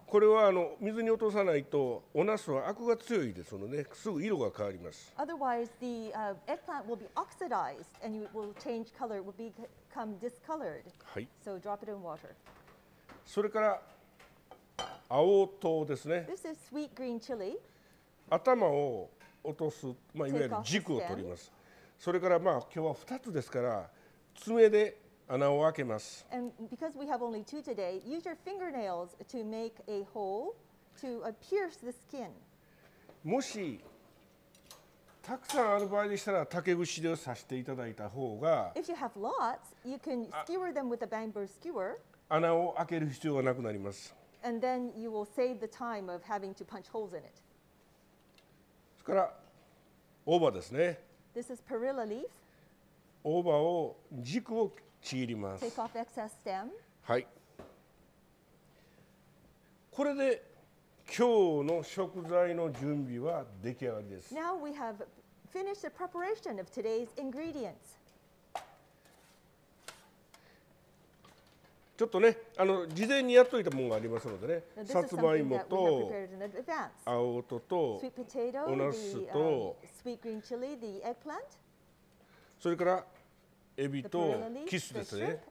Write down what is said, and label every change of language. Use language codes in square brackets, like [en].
[ja] これはあの水に落とさないとおナスはアクが強いですので、ね、すぐ色が変わります。 [en] Otherwise, the eggplant will be oxidized and it will change color, will become discolored. [ja] はい。 [en] So drop it in water. [ja] それから青唐ですね。 [en] This is sweet green chili. [ja] 頭を落とす、まあ、いわゆる軸を取ります。それからまあ今日は2つですから爪で穴を開けます。 [en] And because we have only two today, use your fingernails to make a hole to pierce the skin. [ja] もしたくさんある場合でしたら竹串で刺していただいた方が、 [en] If you have lots, you can skewer them with a bamboo skewer. [ja] 穴を開ける必要がなくなります。 [en] And then you will save the time of having to punch holes in it. [ja] それから大葉ですね。 [en] This is perilla leaf. [ja] 大葉を軸をちぎります。 [en] Take off excess stem. [ja] はい。これで今日の食材の準備は出来上がりです。 [en] Now we have finished the preparation of today's ingredients. [ja] ちょっとね、あの事前にやっといたものがありますのでね、さつまいもと青とと、 [en] sweet potato, [ja] おナスと、 [en] sweet green chili, the eggplant. [ja] それからエビとキスですね。